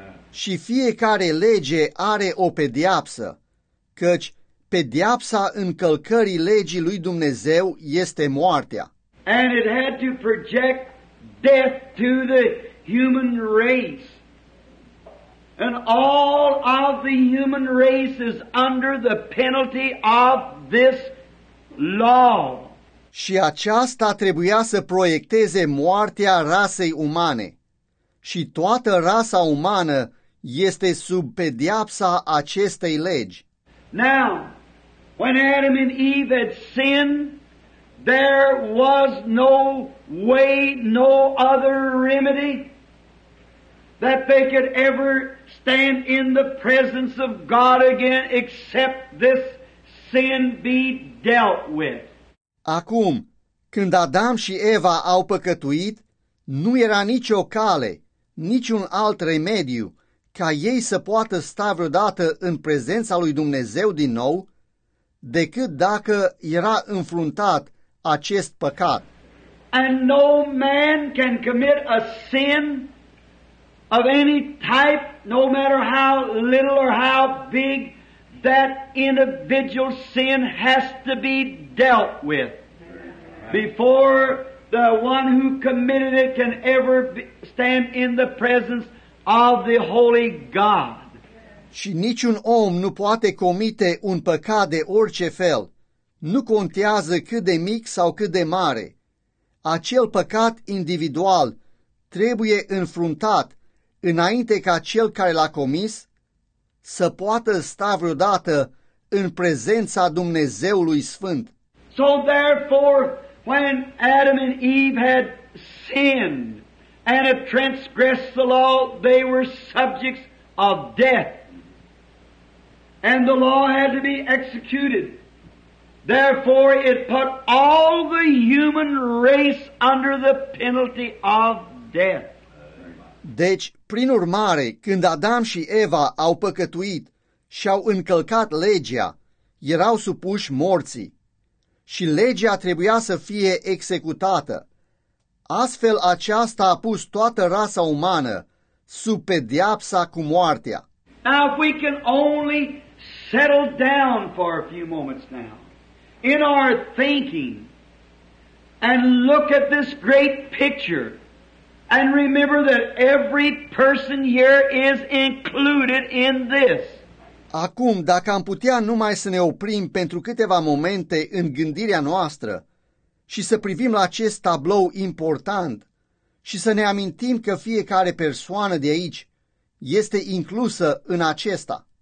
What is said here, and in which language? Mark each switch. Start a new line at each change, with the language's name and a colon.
Romanian: Și fiecare lege are o pedeapsă, căci pedeapsa încălcării legii lui Dumnezeu este moartea.
English: And it had to project death to the human race. And all of the human race is under the penalty of this law.
Romanian: Și aceasta trebuia să proiecteze moartea rasei umane. Și toată rasa umană este sub pedeapsa acestei legi.
English: Now, when Adam and Eve had sinned, there was no way, no other remedy that they could ever stand in the presence of God again except this sin be dealt with.
Romanian: Acum, când Adam și Eva au păcătuit, nu era nicio cale, niciun alt remediu ca ei să poată sta vreodată în prezența lui Dumnezeu din nou, decât dacă era înfruntat acest păcat.
English: And no man can commit a sin of any type, no matter how little or how big, that individual sin has to be dealt with before the one who committed it can ever stand in the presence of the holy God.
Romanian: Și niciun om nu poate comite un păcat de orice fel, nu contează cât de mic sau cât de mare. Acel păcat individual trebuie înfruntat înainte ca cel care l-a comis să poată sta vreodată în prezența Dumnezeului Sfânt.
English: So therefore, when Adam and Eve had sinned and had transgressed the law, they were subjects of death. And the law had to be executed. Therefore, it put all the human race under the penalty of death.
Romanian: Deci, prin urmare, când Adam și Eva au păcătuit și au încălcat legea, erau supuși morții. Și legea trebuia să fie executată. Astfel aceasta a pus toată rasa umană sub pedeapsa cu moartea.
English: Now if we can only settle down for a few moments now in our thinking and look at this great picture and remember that every person here is included in this.
Romanian: Acum, dacă am putea numai să ne oprim pentru câteva momente în gândirea noastră și să privim la acest tablou important și să ne amintim că fiecare persoană de aici este inclusă în acesta.